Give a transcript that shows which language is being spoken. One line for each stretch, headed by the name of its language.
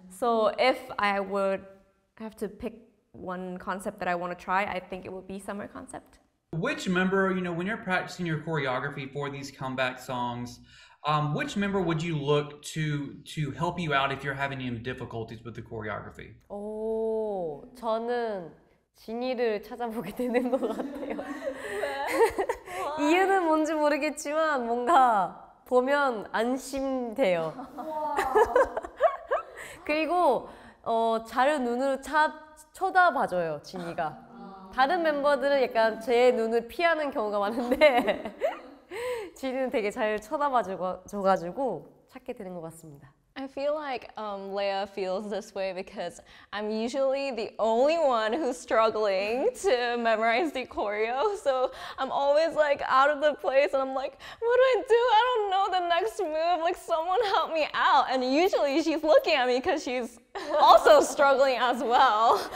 English: So if I would have to pick one concept that I want to try, I think it would be summer concept. Which member, you know, when you're practicing your choreography for these comeback songs, which member would you look to help you out if you're having any difficulties with the choreography?
Korean: 오, 저는 진이를 찾아보게 되는 것 같아요. 이유는 뭔지 모르겠지만 뭔가 보면 안심돼요. 그리고 자를 눈으로 쳐다봐줘요, 진이가. 다른 멤버들은 약간 제 눈을 피하는 경우가 많은데 지는 되게 잘 쳐다봐줘가지고 찾게 되는 것 같습니다.
English: I feel like Leia feels this way because I'm usually the only one who's struggling to memorize the choreo. So I'm always like out of the place and I'm like, what do I do? I don't know the next move. Like someone help me out. And usually she's looking at me because she's also struggling as well.